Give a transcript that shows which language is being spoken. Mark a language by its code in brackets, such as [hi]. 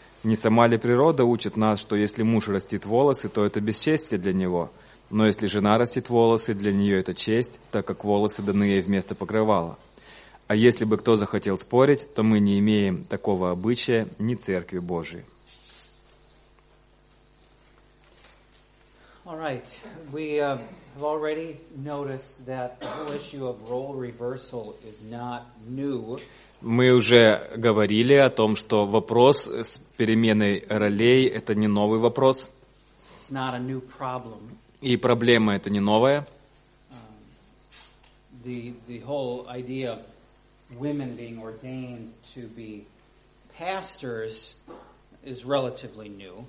[ru] Не сама ли природа учит нас, что если муж растит волосы, то это бесчестие для него? Но если жена растит волосы, для нее это честь, так как волосы даны ей вместо покрывала. А если бы кто захотел спорить, то мы не имеем такого обычая ни Церкви Божией. [en] All right. We have already noticed that the whole issue of role reversal is not new. [ru] Мы уже говорили о том, что вопрос с переменой ролей — это не новый вопрос. [en] It's not a new problem. [ru] И проблема — это не новая. [en] The whole idea of women being ordained to be pastors is relatively new.